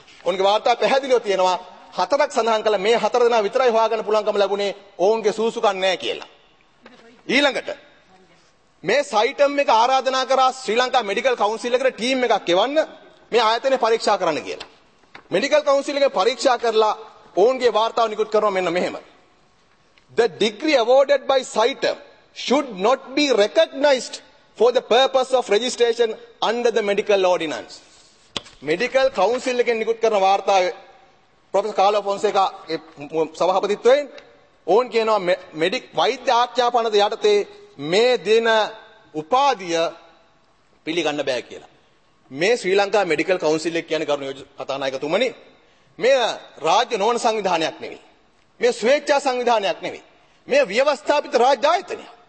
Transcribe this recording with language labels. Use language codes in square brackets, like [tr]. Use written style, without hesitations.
[si] ඔවුන්ගේ වාර්තාව පැහැදිලිව තියෙනවා. හතරක් සඳහන් කළ මේ හතර දෙනා විතරයි හොයාගන්න පුළුවන්කම ලැබුණේ ඔවුන්ගේ සූසුකම් නැහැ කියලා. ඊළඟට මේ සයිටම් එක ආරාධනා කරා ශ්‍රී ලංකා මෙඩිකල් කවුන්සිල් එකට ටීම් එකක් එවන්න මේ ආයතනය පරීක්ෂා කරන්න කියලා. මෙඩිකල් කවුන්සිල් එක පරීක්ෂා කරලා ඔවුන්ගේ වාර්තාව නිකුත් කරනවා මෙන්න මෙහෙම. [en] The degree awarded by CITEM should not be recognized for the purpose of registration under the medical ordinance. [si] Medical council එකෙන් නිකුත් කරන වාර්තාවේ ප්‍රොෆෙසර් කාලෝ ෆොන්සේකා සභාපතිත්වයෙන් ඕන් කියනවා මෙඩික් වෛද්‍ය ආඥාපනත යටතේ මේ දින උපාධිය පිළිගන්න බෑ කියලා. මේ ශ්‍රී ලංකා මෙඩිකල් කවුන්සිල් එක කියන්නේ ගරු කතානායකතුමනි, මේ රාජ්‍ය නොවන සංවිධානයක් නෙවෙයි, මේ ස්වේච්ඡා සංවිධානයක් නෙවෙයි, මේ ව්‍යවස්ථාපිත රාජ්‍ය ආයතනය.